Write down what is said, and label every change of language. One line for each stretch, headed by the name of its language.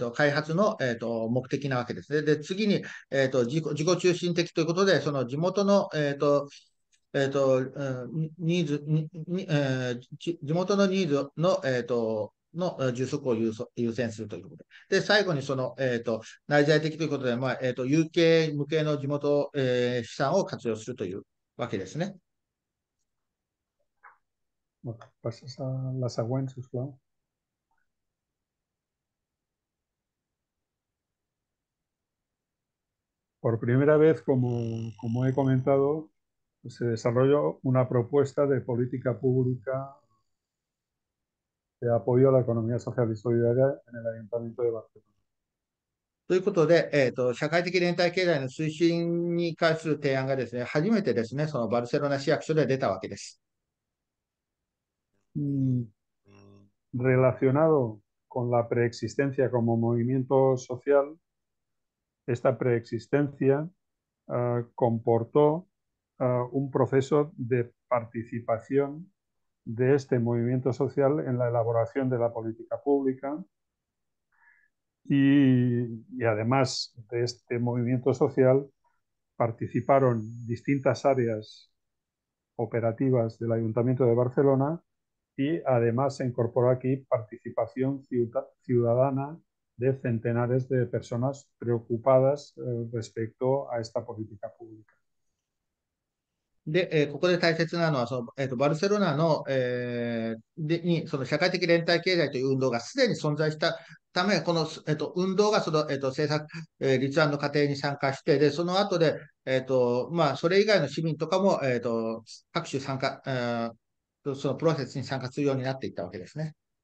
Japanese: 発の、目的なわけですね。で、次に、自己中心的ということで、その地元の、ニーズ、に、に、えー、地、地元のニーズの、の充足を優先するということで。で、最後にその、内在的ということで、まあ、有形無形の地元、資産を活用するというわけですね。
Catalan: Passes a la següent, si us plau.
Spanish: Por primera vez, como he comentado, se desarrolló una propuesta de política pública de apoyo a la economía social y solidaria en el Ayuntamiento de Barcelona.
Japanese: ということで、社会的連帯経済の推進に関する提案がですね、初めてですね、そのバルセロナ市役所で出たわけです。
Spanish: Relacionado con la preexistencia como movimiento social, esta preexistencia comportó un proceso de participación de este movimiento social en la elaboración de la política pública y además de este movimiento social participaron distintas áreas operativas del Ayuntamiento de Barcelona. Y además se incorporó aquí participación ciudadana de centenares de personas preocupadas respecto a esta política pública.
Japanese: で、ここで大切なのは、その、バルセロナの、で、に、その社会的連帯経済という運動がすでに存在したため、この、運動がその、政策、立案の過程に参加して、で、その後で、まあ、それ以外の市民とかも、各種参加、そのプロセスに参加するようになっていったわけですね。